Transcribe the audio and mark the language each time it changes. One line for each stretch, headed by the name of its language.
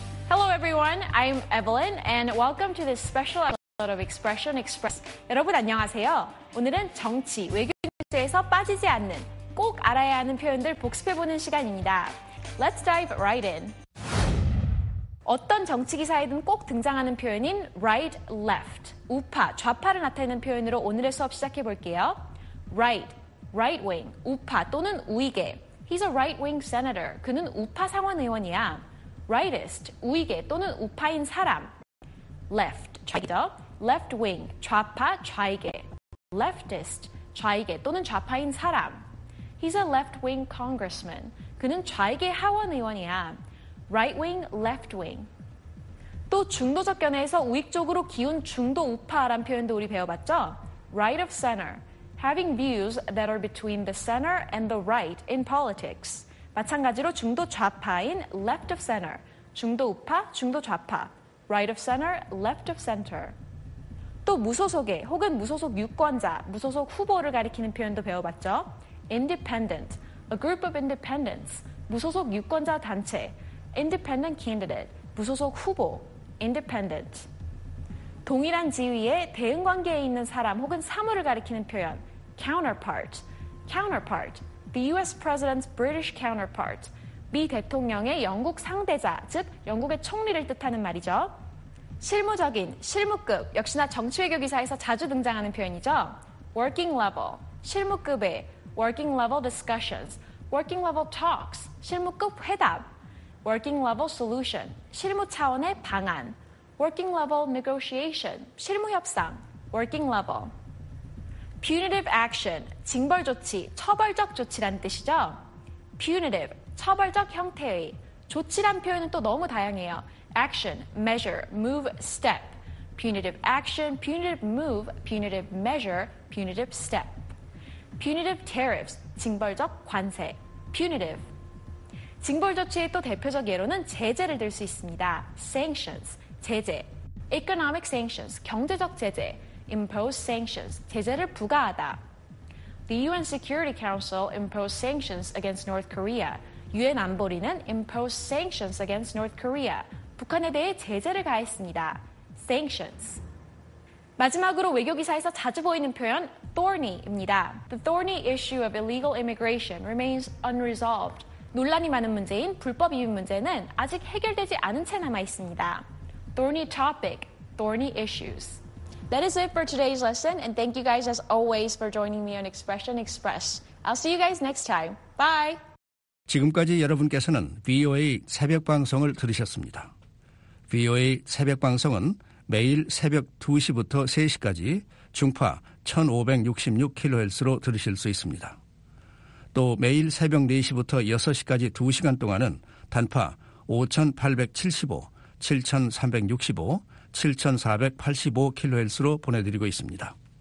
English: Hello everyone, I'm Evelyn and welcome to this special episode of Expression Express.
Korean: 여러분 안녕하세요. 오늘은 정치, 외교 뉴스에서 빠지지 않는 꼭 알아야 하는 표현들 복습해보는 시간입니다.
English: Let's dive right in.
Korean: 어떤 정치 기사에든 꼭 등장하는 표현인 right, left, 우파, 좌파를 나타내는 표현으로 오늘의 수업 시작해 볼게요. Right, right wing, 우파 또는 우익에.
English: He's a right wing senator.
Korean: 그는 우파 상원 의원이야. Rightist, 우익에 또는 우파인 사람. Left, 좌익이죠. left wing, 좌파, 좌익에, leftist, 좌익에 또는 좌파인 사람.
English: He's a left wing congressman.
Korean: 그는 좌익의 하원 의원이야.
English: Right wing, left wing.
Korean: 또 중도적 견해에서 우익 쪽으로 기운 중도 우파란 표현도 우리 배워봤죠?
English: Right of center, having views that are between the center and the right in politics.
Korean: 마찬가지로 중도 좌파인 left of center, 중도 우파, 중도 좌파.
English: Right of center, left of center.
Korean: 또 무소속의 혹은 무소속 유권자, 무소속 후보를 가리키는 표현도 배워봤죠?
English: Independent, a group of independents,
Korean: 무소속 유권자 단체.
English: Independent candidate, 무소속 후보, independent.
Korean: 동일한 지위에 대응 관계에 있는 사람 혹은 사물을 가리키는 표현, counterpart.
English: Counterpart, the US president's British counterpart,
Korean: 미 대통령의 영국 상대자, 즉 영국의 총리를 뜻하는 말이죠. 실무적인, 실무급, 역시나 정치 외교 기사에서 자주 등장하는 표현이죠.
English: Working level, 실무급의, working level discussions, working level talks, 실무급 회담, working level solution, 실무 차원의 방안, working level negotiation, 실무 협상, working level.
Korean: Punitive action, 징벌 조치, 처벌적 조치란 뜻이죠. Punitive, 처벌적 형태의, 조치란 표현은 또 너무 다양해요.
English: Action, measure, move, step. Punitive action, punitive move, punitive measure, punitive step. Punitive tariffs, 징벌적 관세, punitive.
Korean: 징벌 조치의 또 대표적 예로는 제재를 들 수 있습니다.
English: Sanctions, 제재. Economic sanctions, 경제적 제재.
Korean: Impose sanctions, 제재를 부과하다.
English: The UN Security Council imposed sanctions against North Korea.
Korean: UN 안보리는
English: imposed sanctions against North Korea.
Korean: 북한에 대해 제재를 가했습니다.
English: Sanctions.
Korean: 마지막으로 외교기사에서 자주 보이는 표현, thorny입니다.
English: The thorny issue of illegal immigration remains unresolved.
Korean: 논란이 많은 문제인 불법 이민 문제는 아직 해결되지 않은 채 남아있습니다.
English: Thorny topic, thorny issues. That is it for today's lesson, and thank you guys as always for joining me on Expression Express. I'll see you guys next time. Bye!
Korean: 지금까지 여러분께서는 VOA 새벽 방송을 들으셨습니다. VOA 새벽 방송은 매일 새벽 2시부터 3시까지 중파 1566kHz로 들으실 수 있습니다. 또 매일 새벽 4시부터 6시까지 2시간 동안은 단파 5875, 7365, 7485kHz로 보내드리고 있습니다.